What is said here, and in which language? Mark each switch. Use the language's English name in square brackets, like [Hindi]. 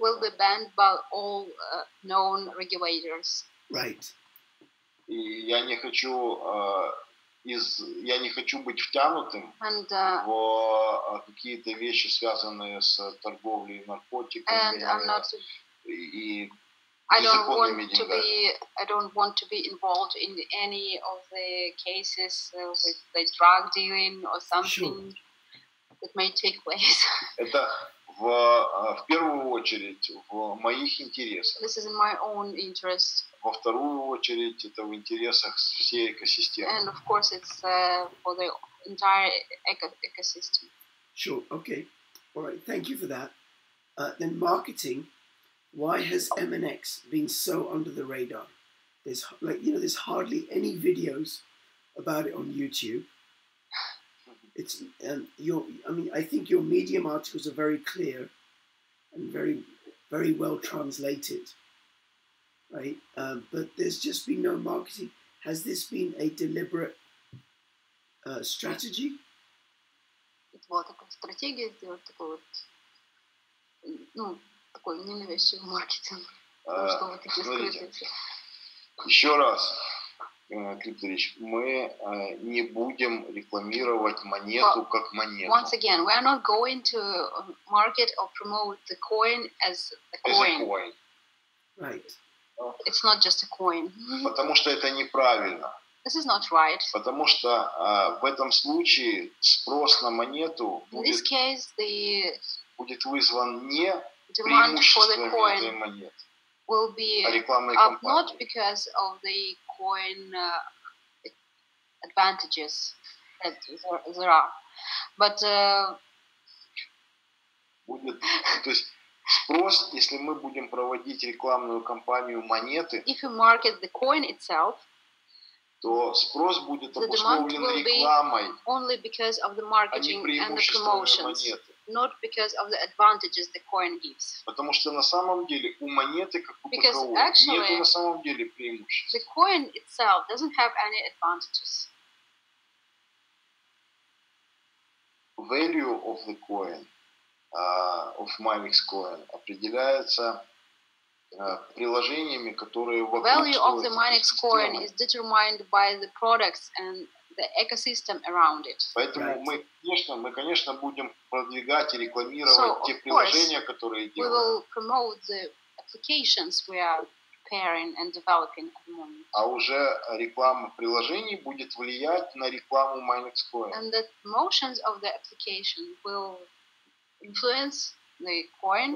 [English] We'll be banned by all known regulators. Right. [Russian] И я не хочу я не хочу быть втянутым [English] and, [Russian] в какие-то вещи, связанные с торговлей наркотиками [English] and [Russian] и, [English] not... [Russian] и [English] I don't want to be. I don't want to be involved in any of the cases with the drug dealing or something sure. that may take place. [Russian] Это в первую очередь в моих интересах. [English] This is in my own interest. [Russian] Во вторую очередь это в интересах всей экосистемы. [English] And of course, it's for the entire ecosystem. Sure. Okay. All right. Thank you for that. Then marketing. Why has MNX been so under the radar? There's like you know, there's hardly any videos about it on YouTube. It's I think your Medium articles are very clear and very, very well translated, right? But there's just been no marketing. Has this been a deliberate strategy? It was a strategy, [Russian] такой ненавязчивый маркетинг, потому что вы такие скрытые. Еще раз, Клипторич, мы не будем рекламировать монету как монету. [English] Once again, we are not going to market or promote the coin as a coin. As a coin. Right. It's not just a coin. [Russian] Потому что это неправильно. [English] This is not right. [Russian] Потому что в этом случае спрос на монету [English] in this case, the... [Russian] будет вызван не [English] demand for the coin will be up not because of the coin advantages that there are, but [Russian] то есть спрос, если мы будем проводить рекламную кампанию монеты, [English] if you market the coin itself, [Russian] то спрос будет обусловлен рекламой, [English] only because of the marketing and the promotions. Not because of the advantages the coin gives. [Russian] Потому что на самом деле у монеты как у [English] because [Russian] такового [English] actually, [Russian] нету на самом деле преимуществ. [English] The coin itself doesn't have any advantages. Value of the coin, of Minexcoin, [Russian] определяется приложениями, которые вокруг. [English] Value of the Minexcoin is determined by the products and the ecosystem around it. [Russian] Поэтому right. мы, конечно, будем продвигать и рекламировать те приложения, которые делаем. [English] We will promote the applications we are preparing and developing at the moment. [Russian] А уже реклама приложений будет влиять на рекламу Minexcoin. [English] And the promotions of the application will influence the coin.